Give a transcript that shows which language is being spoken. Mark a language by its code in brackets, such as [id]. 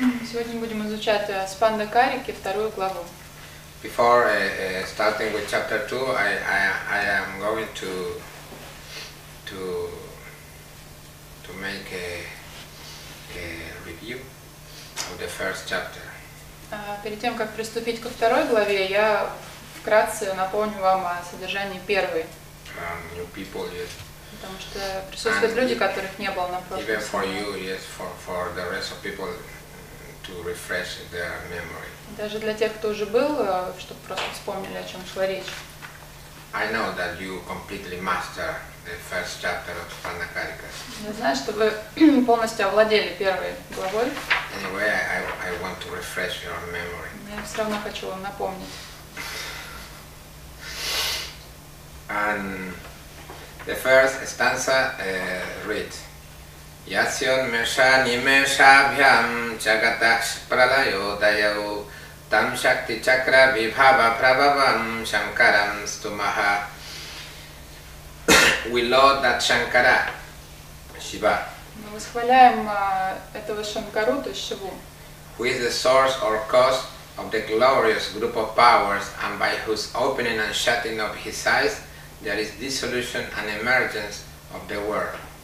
[ru] Сегодня будем изучать Спандакарики, вторую главу. [en] Before starting with chapter 2, I am going to make a review of the first chapter. [ru] Перед тем, как приступить ко второй главе, я вкратце напомню вам о содержании первой. [en] New people, yes. [ru] Потому что присутствуют люди, которых не было на прошлом. [en] Even for you, yes, for the rest of people to refresh their memory. [ru] Даже для тех, кто уже был, чтобы просто вспомнили, о чем шла речь. [en] I know that you completely master the first chapter of Spandakarikas. [ru] Я знаю, что вы полностью овладели первой главой. [en] Anyway, I want to refresh your memory. [ru] Я все равно хочу вам напомнить. [en] And the first stanza read [sa] Yasyon mesha nimesha bhyam jagatash pralayodayau tam shakti chakra vibhava prabhavam shankaram stumaha. [en] We laud that Shankara, Shiva. [ru] Мы восхваляем этого Шанкару, то есть Шиву. [en] Who is the source or cause of the glorious group of powers and by whose opening and shutting of his eyes there is dissolution and emergence of the world.